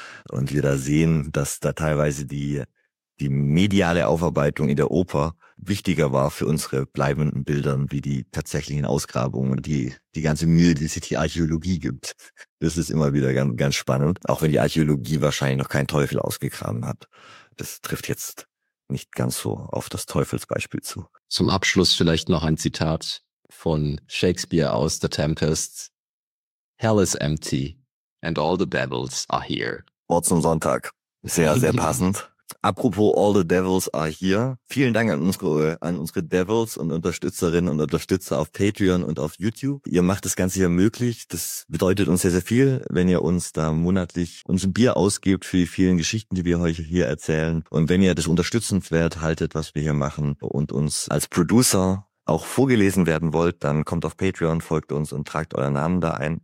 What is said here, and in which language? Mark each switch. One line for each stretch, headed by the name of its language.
German: Und wir da sehen, dass da teilweise die mediale Aufarbeitung in der Oper wichtiger war für unsere bleibenden Bilder wie die tatsächlichen Ausgrabungen, die ganze Mühe, die sich die Archäologie gibt. Das ist immer wieder ganz, ganz spannend, auch wenn die Archäologie wahrscheinlich noch keinen Teufel ausgegraben hat. Das trifft jetzt nicht ganz so auf das Teufelsbeispiel zu. Zum Abschluss vielleicht noch ein Zitat von Shakespeare aus The Tempest.
English: Hell is empty and all the devils are here.
German: Wort zum Sonntag. Sehr, sehr passend.
English: Apropos all the devils are here.
German: Vielen Dank an unsere Devils und Unterstützerinnen und Unterstützer auf Patreon und auf YouTube. Ihr macht das Ganze hier möglich. Das bedeutet uns sehr, sehr viel, wenn ihr uns da monatlich ein Bier ausgibt für die vielen Geschichten, die wir euch hier erzählen. Und wenn ihr das unterstützenswert haltet, was wir hier machen und uns als Producer auch vorgelesen werden wollt, dann kommt auf Patreon, folgt uns und tragt euren Namen da ein.